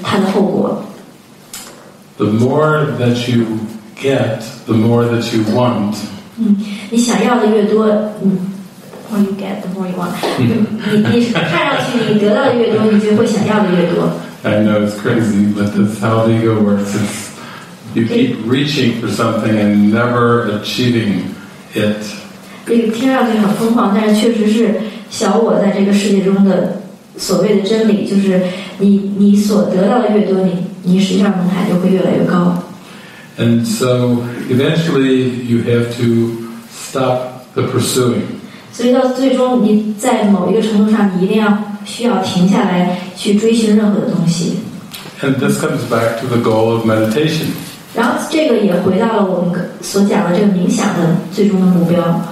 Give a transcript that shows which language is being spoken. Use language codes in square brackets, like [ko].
[zh] 所以这个也是我们对这个世界上的这些，野心。野心，对，但是如果是有任何的野心的话，这个也是它的后果。 [en] The more that you get, the more that you want. [zh] 你想要的越多。 [en] When you get, the more you want. [zh] 你看上去你得到的越多，你就会想要的越多。 [en] I know it's crazy, but that's how the ego works. It's, you keep reaching for something and never achieving it. [zh] 所谓的真理就是你所得到的越多你实际上状态就会越来越高 [en] And so eventually you have to stop the pursuing [zh] 所以到最终你在某一个程度上你一定要需要停下来去追寻任何的东西 [en] And this comes back to the goal of meditation [zh] 然后这个也回到了我们所讲的这个冥想的最终的目标